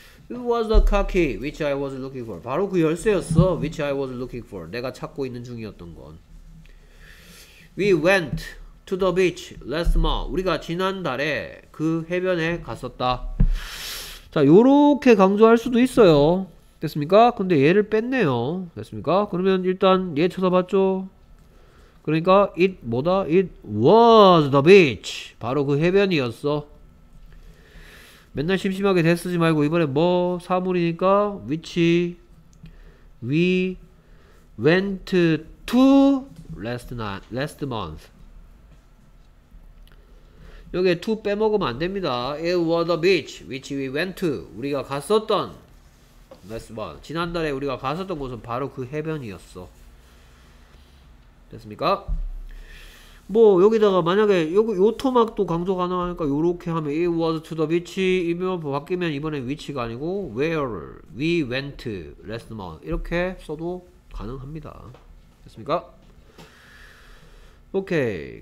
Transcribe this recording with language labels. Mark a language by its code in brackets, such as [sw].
[en] It was the car key which I was looking for. [ko] 바로 그 열쇠였어. [en] Which I was looking for. [ko] 내가 찾고 있는 중이었던 건. [en] We went to the beach last month. [ko] 우리가 지난달에 그 해변에 갔었다. 자, 요렇게 강조할 수도 있어요. 됐습니까? 근데 얘를 뺐네요. 됐습니까? 그러면 일단 얘 쳐다봤죠? [en] 그러니까 it 뭐다? It was the beach. [ko] 바로 그 해변이었어. 맨날 심심하게 that 쓰지 말고 이번에 뭐 사물이니까 [en] which we went to last month. [ko] 여기에 to 빼먹으면 안 됩니다. [en] It was a beach which we went to. [ko] 우리가 갔었던 [en] last month. [ko] 지난달에 우리가 갔었던 곳은 바로 그 해변이었어. 됐습니까? 뭐 여기다가 만약에 요거 요 토막도 강조 가능하니까 요렇게 하면 [en] it was to the beach [ko] 이면 바뀌면 이번엔 위치가 아니고 [en] where we went last month [ko] 이렇게 써도 가능합니다. 됐습니까? 오케이.